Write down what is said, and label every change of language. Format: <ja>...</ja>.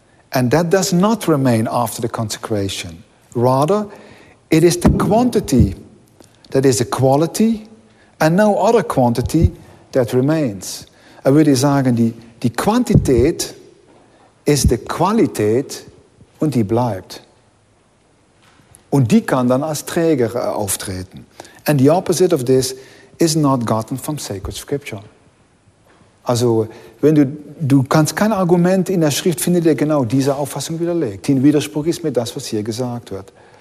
<en>And that does not remain after the consecration. Rather, it is the quantity that is a quality And no other quantity that remains.</en> <de>Er würde sagen, die Quantität ist die Qualität und die bleibt. Und die kann dann als Träger auftreten.</de> <en>And the opposite of this is not gotten from sacred scripture.</en> <de>Also, wenn du kannst kein Argument in der Schrift finden, der genau diese Auffassung widerlegt, die in Widerspruch ist mit das, was hier gesagt wird.</de>